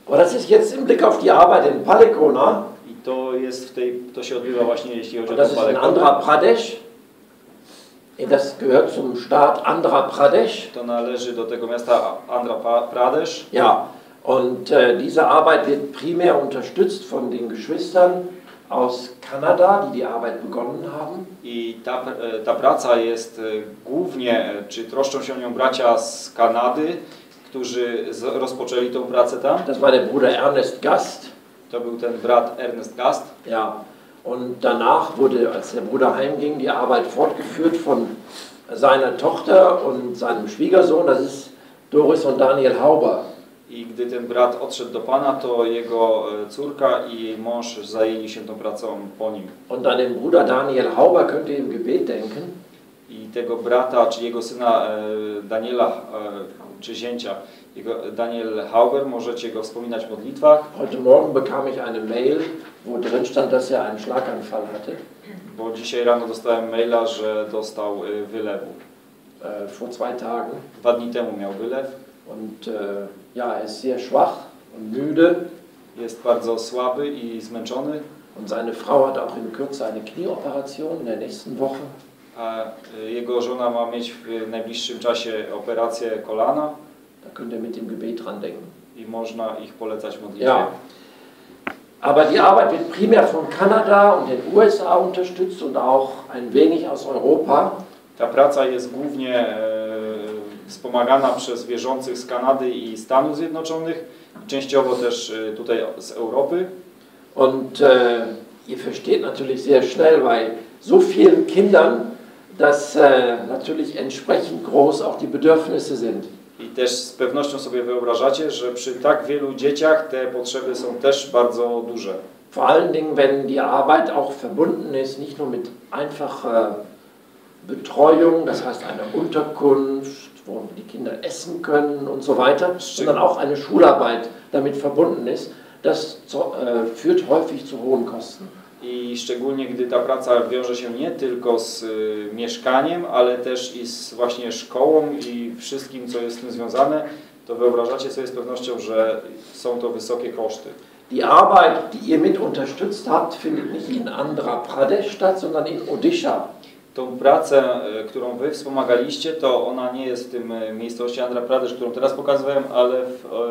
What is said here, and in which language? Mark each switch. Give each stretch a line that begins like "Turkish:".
German: Aber das ist jetzt im Blick auf die Arbeit in Palekona.
Polish: I to jest w tej, to się odbywa właśnie, jeśli chodzi o Palekona.
German: Das ist in Andhra Pradesh. Das gehört zum Staat Andhra Pradesh.
Polish: To należy do tego miasta Andhra Pradesh.
German: Ja, und diese Arbeit wird primär unterstützt von den Geschwistern aus Kanada, die die Arbeit begonnen haben.
Polish: I ta praca jest głównie, czy troszczą się o nią bracia z Kanady, którzy rozpoczęli tą pracę tam.
German: Das war der Bruder Ernest Gast.
Polish: To był ten brat Ernest Gast.
German: Ja. Und danach wurde, als der Bruder heimging, die Arbeit fortgeführt von seiner Tochter und seinem Schwiegersohn. Das ist Doris und Daniel Hauber.
Polish: I gdy ten brat odszedł do pana, to jego córka i jej mąż zajęli się tą pracą po nim.
German: Und an den Bruder Daniel Hauber könnt ihr im Gebet denken.
Polish: I tego brata, czy jego syna Daniela, czy zięcia, jego Daniel Hauber, możecie go wspominać w modlitwach.
German: Heute Morgen bekam ich eine Mail, wo drin stand, dass er einen Schlaganfall hatte.
Polish: Bo dzisiaj rano dostałem maila, że dostał wylewu.
German: Vor zwei Tagen.
Polish: Dwa dni temu miał wylew.
German: Und ja, er ist sehr schwach und müde.
Polish: Jest bardzo słaby i zmęczony.
German: Und seine Frau hat auch in Kürze eine Knieoperation in der nächsten Woche.
Polish: A jego żona ma mieć w najbliższym czasie operację kolana.
German: Da könnt ihr mit dem Gebet dran denken.
Polish: I można ich polecać modlitwie.
German: Ja. Aber die Arbeit wird primär von Kanada und den USA unterstützt und auch ein wenig aus Europa.
Polish: Ta praca jest głównie wspomagana przez wierzących z Kanady i Stanów Zjednoczonych, częściowo też tutaj z Europy.
German: Und ihr versteht natürlich sehr schnell bei so vielen Kindern, dass natürlich entsprechend groß auch die Bedürfnisse sind.
Polish: I też z pewnością sobie wyobrażacie, że przy tak wielu dzieciach te potrzeby są też bardzo duże.
German: Vor allen Dingen, wenn die Arbeit auch verbunden ist, nicht nur mit einfacher Betreuung, das heißt eine Unterkunft, wo die Kinder essen können und so weiter, sondern auch eine Schularbeit damit verbunden ist, das führt häufig zu hohen Kosten.
Polish: I szczególnie gdy ta praca wiąże się nie tylko z mieszkaniem, ale też i z właśnie szkołą i wszystkim, co jest z tym związane, to wyobrażacie sobie z pewnością, że są to wysokie koszty.
German: Die Arbeit, die ihr mit unterstützt habt, findet nicht in Andhra Pradesh statt, sondern in Odisha.
Polish: Tą pracę, którą wy wspomagaliście, to ona nie jest w tym miejscowości Andhra Pradesh, którą teraz pokazywałem, ale w